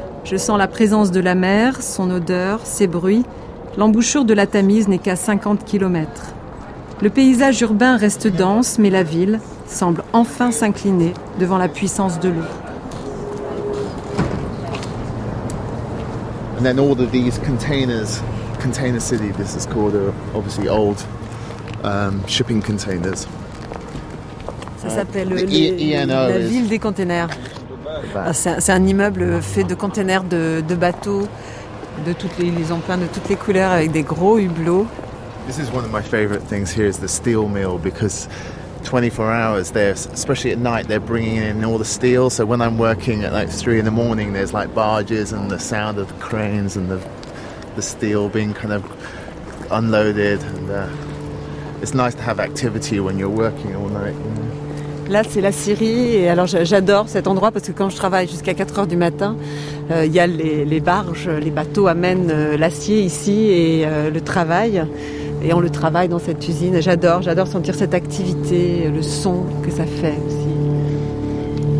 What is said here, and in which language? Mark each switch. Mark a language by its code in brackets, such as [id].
[fr] Je sens la présence de la mer, son odeur, ses bruits. L'embouchure de la Tamise n'est qu'à 50 km. Le paysage urbain reste dense, mais la ville semble enfin s'incliner devant la puissance de l'eau. [en] And then all of these containers, container city, this is called obviously old shipping containers. [fr] Ça s'appelle la ville des containers. C'est un immeuble fait de containers de bateaux, ils ont peints de toutes les couleurs avec des gros hublots. [en] This is one of my favorite things here is the steel mill because 24 hours. They're, especially at night, they're bringing in all the steel. So when I'm working at like 3 in the morning, there's like barges and the sound of the cranes and the steel being kind of unloaded. And it's nice to have activity when you're working all night. You know? [fr] Là, c'est la Syrie, et alors j'adore cet endroit parce que quand je travaille jusqu'à 4 heures du matin, il y a les barges, les bateaux amènent l'acier ici et le travail, et on le travaille dans cette usine. J'adore sentir cette activité, le son que ça fait aussi.